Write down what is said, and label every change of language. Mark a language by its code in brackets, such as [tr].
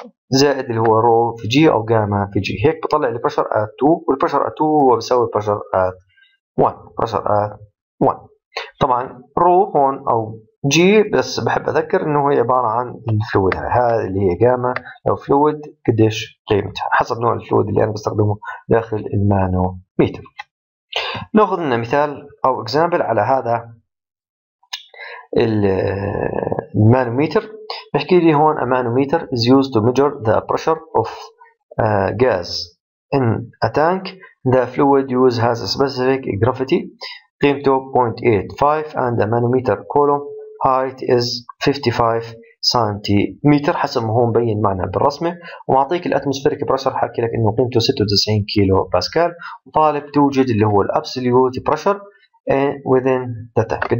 [ar] زائد اللي هو رو في جي او جاما في جي، هيك بطلع لي بريشر ات 2، والبريشر ات 2 هو بيساوي بريشر ات 1، بريشر ات 1 طبعا رو هون او جي، بس بحب اذكر انه هي عباره عن الفلويد هاي اللي هي جاما او فلويد قديش قيمتها حسب نوع الفلويد اللي انا بستخدمه داخل المانوميتر. ناخذ لنا مثال او اكزامبل على هذا المانوميتر، بحكي لي هون [en] a manometer is used to measure the pressure of gas in a tank. The fluid used has a specific gravity [ar] قيمته 0.85 [en] and the manometer column height is 55 [ar] سنتيمتر حسب ما هو مبين معنا بالرسمة، ومعطيك الاتموسفيريك بريشر حكي لك انه قيمته 96 كيلو باسكال، وطالب توجد اللي هو الابسوليوت بريشر [en] within the tank.